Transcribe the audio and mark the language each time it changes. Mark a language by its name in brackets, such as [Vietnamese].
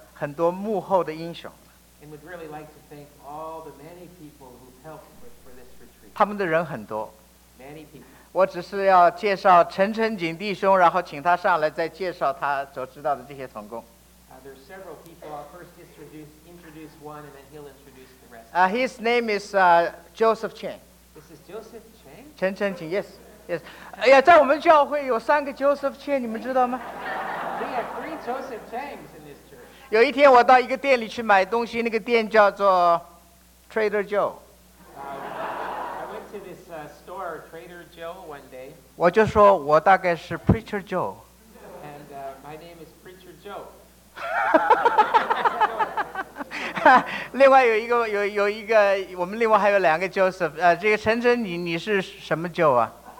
[Chinese] 很多幕后的英雄。 [English] And would really like to thank all the many people who've helped for this retreat. [Chinese] 他们的人很多。 [English] Many people. [Chinese] 我只是要介绍陈成景弟兄，然后请他上来再介绍他所知道的这些同工。 [English] There are several people. I'll first introduce one, and then he'll introduce the rest. His name is Joseph Chang. This is Joseph Chang. 陈成景 yes. Yes. [Chinese] 哎呀，在我们教会有三个 Joseph Chang， 你们知道吗？ [English] We have three Joseph Changs in this church. [Chinese] 有一天我到一个店里去买东西，那个店叫做 Trader Joe. [English] I went to this store, Trader Joe, one day. [Chinese] 我就说我大概是 Preacher Joe. [English] And my name is Preacher Joe. [Chinese] 另外有一个我们另外还有两个 Joseph， 这个陈真，你是什么 Joe 啊？